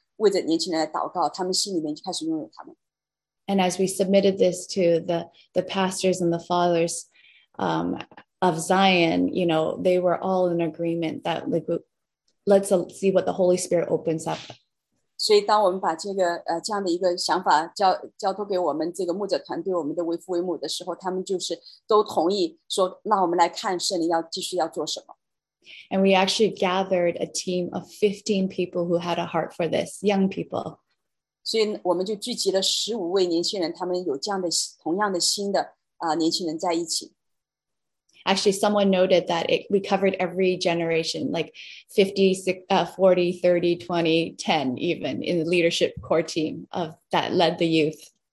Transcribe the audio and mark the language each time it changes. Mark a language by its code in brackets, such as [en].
[zh] 所以这就是我们开始的一个种子，也意识到很多的年轻人，其实他们里面也是开始为着年轻人来祷告，他们心里面就开始拥有他们。 [en] And as we submitted this to the pastors and the fathers of Zion, you know, they were all in agreement that the group, let's see what the Holy Spirit opens up. [zh] 所以当我们把这样的一个想法交托给我们这个牧者团队，我们的为父为母的时候，他们就是都同意说，那我们来看圣灵要继续要做什么。 [en] And we actually gathered a team of 15 people who had a heart for this, young people. [zh] 所以我们就聚集了15位年轻人，他们有这样的同样的心的年轻人在一起。 [en] Actually, someone noted that we covered every generation, like 50, 60, 40, 30, 20, 10, even in the leadership core team of that led the youth.